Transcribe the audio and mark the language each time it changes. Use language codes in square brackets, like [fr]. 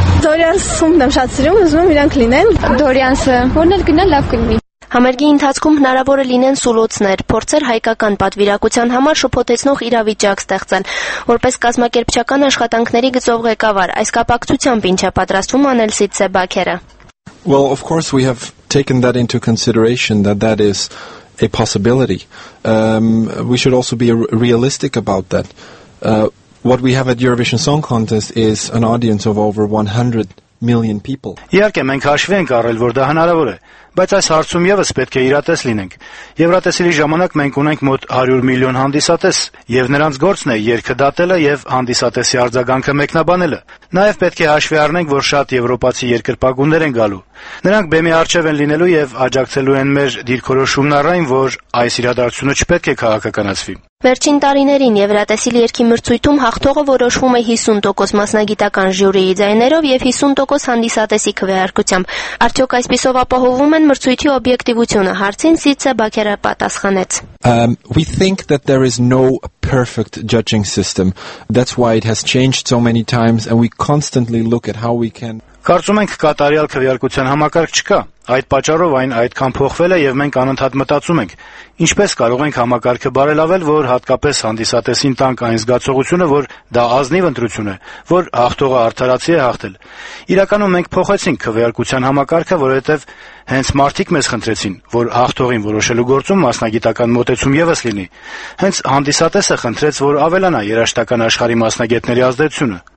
[hy] Դորիանսում դեմ շատ սիրում, ուզում եմ իրանք լինեն։ Դորիանսը, որն էլ գնա լավ կլինի։ Համերգի ընթացքում հնարավոր է լինեն սուլոցներ, փորձեր հայկական պատվիրակության համար շփոթեցնող իրավիճակ ստեղծել, որպես կազմակերպչական աշխատանքների գծով ղեկավար, այս կապակցությամբ ինչ է պատրաստվում անել Սիցե Բաքերը։ [en] Well, of course we have taken that into consideration that is a possibility. We should also be realistic about that. What we have at Eurovision Song Contest is an audience of over 100 million people. [hy] Իհարկե մենք հաշվի ենք առել, որ դա հնարավոր է, Բայց այս հարցում եւս պետք է իրատես լինենք։ Եվրատեսիլի ժամանակ մենք ունենք մոտ 100 միլիոն հանդիսատես, եւ նրանց գործն է երկը դատելը եւ հանդիսատեսի արձագանքը մեկնաբանելը։ Նաեւ պետք է հաշվի առնենք, որ շատ եվրոպացի երկրպագուններ են գալու։ Նրանք բեմի առջև են լինելու եւ աջակցելու են մեր դիրքորոշումն առայն, որ այս իրադարձությունը չպետք է քաղաքականացվի։ Վերջին տարիներին Եվրատեսիլ երկի մրցույթում հաղթողը որոշվում է 50% մասնագիտական ժյուրիի ձայներով եւ 50% հանդիսատեսի քվեարկությամբ։ Արդյոք այսպիսով ապահովում են մրցույթի օբյեկտիվությունը, հարցին Սիցե Բաքերը պատասխանեց. [en] We think that there is no perfect judging system. That's why it has changed so many times and we constantly look at how we can. [hy] Կարծում ենք կատարյալ քվեարկության համակարգ չկա։ Այդ պատճառով այն այդքան փոխվել է եւ մենք անընդհատ մտածում ենք, ինչպես կարող ենք համակարգը բարելավել, որ հատկապես հանդիսատեսին տանք այն զգացողությունը, որ դա ազնիվ ընտրություն է, որ հաղթողը արդարացի է հաղթել։ Իրականում մենք փոխեցինք քվեարկության համակարգը, որովհետեւ հենց մարդիկ մեզ խնդրեցին, որ հաղթողին որոշելու գործում մասնագիտական մոտեցում եւս լինի։ Հենց հանդիսատեսը խնդրեց, որ ավելանա երաշտական աշխարհի մասնագետների ազդեցությունը։